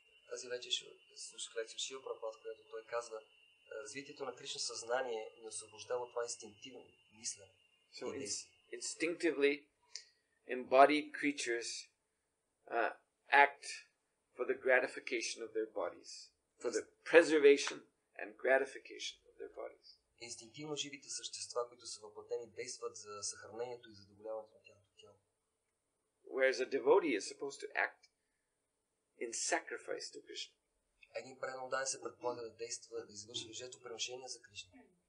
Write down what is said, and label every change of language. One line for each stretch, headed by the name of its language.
Bulgarian: Тази вечер слушах лекция от Шрила Прабхупада, която той казва, развитието на Кришна съзнание ни освобождава от това инстинктивно мислене.
English: So instinctively embodied creatures act for the gratification of their bodies, for the preservation and gratification of their bodies.
Bulgarian: Инстинктивно живите същества, които са въплътени, действат за съхранението и задоволяването на тяхното тяло.
English: Whereas a devotee is supposed to act in sacrifice to Krishna.
Bulgarian: един преданал дан се предполага да действа, да извършва жертвоприношение за Кришна.